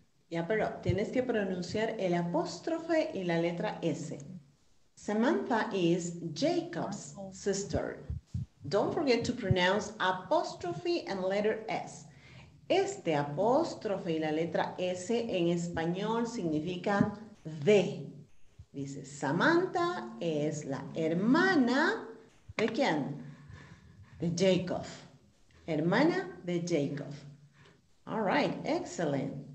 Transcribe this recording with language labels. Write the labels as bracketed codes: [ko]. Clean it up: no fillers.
[es] Ya, pero tienes que pronunciar el apóstrofe y la letra S. [en] Samantha is Jacob's sister. Don't forget to pronounce apostrophe and letter S. [es] Este apóstrofe y la letra S en español significan de. Dice, Samantha es la hermana de ¿quién? De Jacob. Hermana de Jacob. [en] All right, excellent.